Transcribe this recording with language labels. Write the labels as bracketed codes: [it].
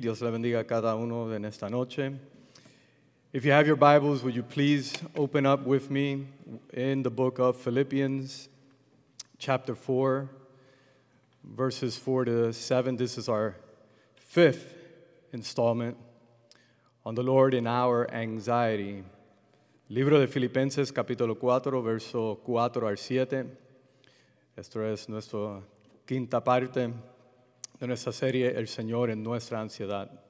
[es] Dios le bendiga a cada uno en esta noche. [en] If you have your Bibles, would you please open up with me in the book of Philippians, chapter 4, verses 4 to 7. This is our fifth installment on the Lord in our anxiety. [es] Libro de Filipenses, capítulo 4, verso 4 al 7. Esto es nuestro quinta parte de nuestra serie, El Señor en nuestra ansiedad.